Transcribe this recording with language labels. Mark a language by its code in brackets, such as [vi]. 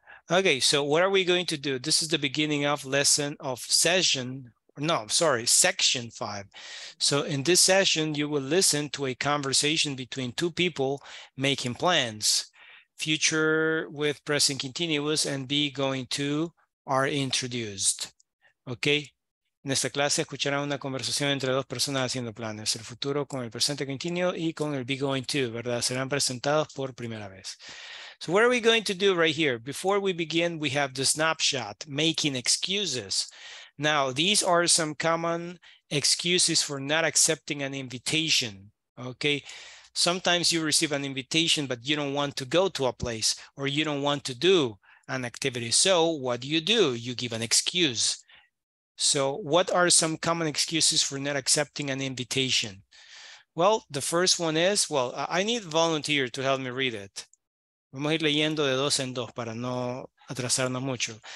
[en] Okay, so what are we going to do? This is the beginning of lesson of session. No, I'm sorry, section 5. So in this session, you will listen to a conversation between two people making plans. Future with present continuous and be going to are introduced. Okay. [es] En esta clase escucharán una conversación entre dos personas haciendo planes. El futuro con el presente continuo y con el be going to, ¿verdad? Serán presentados por primera vez. [en] So what are we going to do right here? Before we begin, we have the snapshot, making excuses. Now, these are some common excuses for not accepting an invitation, okay? Sometimes you receive an invitation, but you don't want to go to a place or you don't want to do an activity. So what do? You give an excuse. So what are some common excuses for not accepting an invitation? Well, the first one is, well, I need a volunteer to help me read it. [es] Vamos a ir leyendo de dos en dos para no atrasarnos mucho.